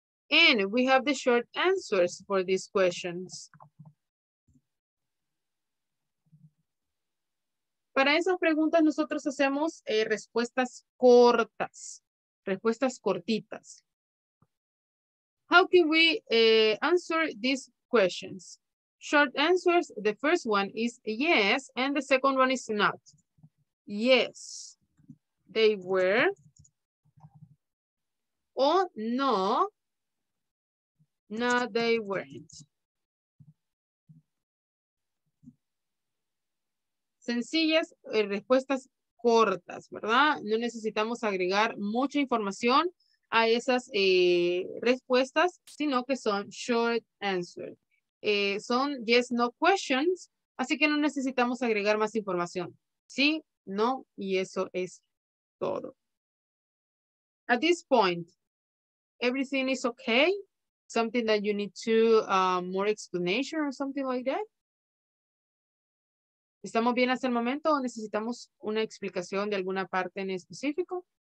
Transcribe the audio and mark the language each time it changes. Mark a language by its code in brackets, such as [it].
[en] And we have the short answers for these questions. [es] Para esas preguntas, nosotros hacemos respuestas cortas, respuestas cortitas. [en] How can we answer these questions? Short answers, the first one is yes, and the second one is not. Yes, they were. Or no, no, they weren't. [es] Sencillas respuestas cortas, ¿verdad? No necesitamos agregar mucha información a esas respuestas, sino que son short answers. Son yes, no questions, así que no necesitamos agregar más información. Sí, no, y eso es todo. [en] At this point, everything is okay? Something that you need to more explanation or something like that? [es] ¿Estamos bien hasta el momento o necesitamos una explicación de alguna parte en específico?